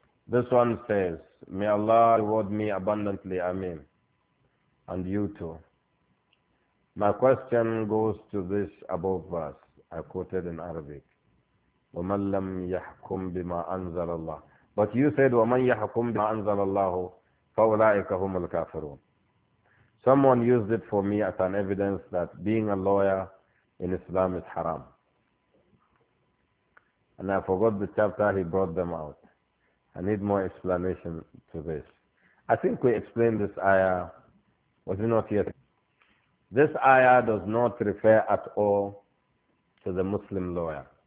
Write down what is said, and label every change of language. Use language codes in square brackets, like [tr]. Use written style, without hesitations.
[en] This one says, may Allah reward me abundantly. Ameen. And you too. My question goes to this above verse I quoted in Arabic. [ar] وَمَنْ لَمْ يَحْكُمْ بِمَا أَنْزَلَ اللَّهُ. [en] But you said, [ar] وَمَنْ يَحْكُمْ بِمَا أَنْزَلَ اللَّهُ فَأُولَٰئِكَ هُمُ الْكَافِرُونَ. [en] Someone used it for me as an evidence that being a lawyer in Islam is haram. And I forgot the chapter he brought them out. I need more explanation to this. I think we explained this ayah. Was it not yet? This ayah does not refer at all to the Muslim lawyer.